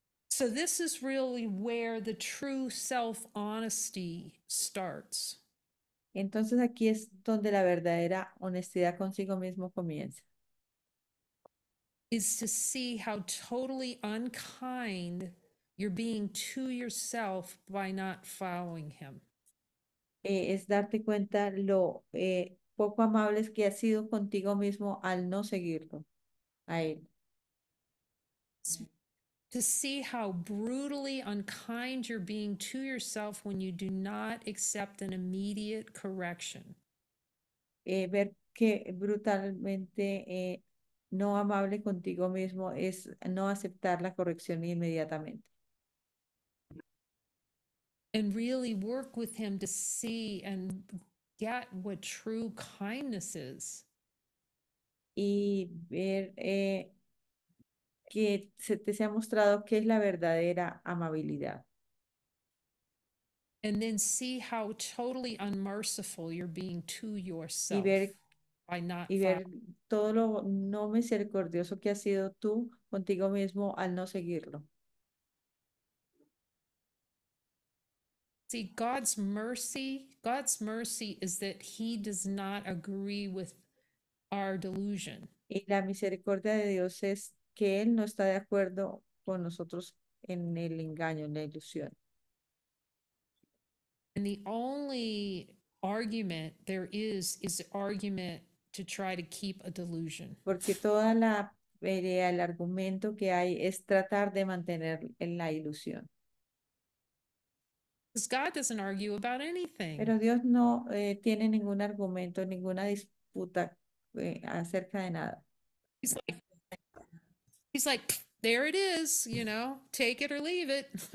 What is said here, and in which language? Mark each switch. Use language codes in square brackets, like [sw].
[en] So this is really where the true self-honesty starts. [es] Entonces aquí es donde la verdadera honestidad consigo mismo comienza. [en] Is to see how totally unkind you're being to yourself by not following him. [es] Es darte cuenta lo poco amables que has sido contigo mismo al no seguirlo a él. [en] To see how brutally unkind you're being to yourself when you do not accept an immediate correction. [es] Ver que brutalmente no amable contigo mismo es no aceptar la corrección inmediatamente. [en] And really work with him to see and get what true kindness is. [es] Y ver que se te ha mostrado qué es la verdadera amabilidad. [en] And then see how totally unmerciful you're being to yourself by not. [es] Y ver todo lo no misericordioso que has sido tú contigo mismo al no seguirlo. [en] See, God's mercy is that he does not agree with our delusion. [es] Y la misericordia de Dios es que él no está de acuerdo con nosotros en el engaño, en la ilusión. [en] And the only argument there is the argument to try to keep a delusion. [es] Porque toda la pelea, el argumento que hay es tratar de mantener en la ilusión. [en] Because God doesn't argue about [es] Pero [en] anything. [es] Dios no tiene ningún argumento, ninguna disputa acerca de nada. [en] He's like, there it is, you know, take it or leave it.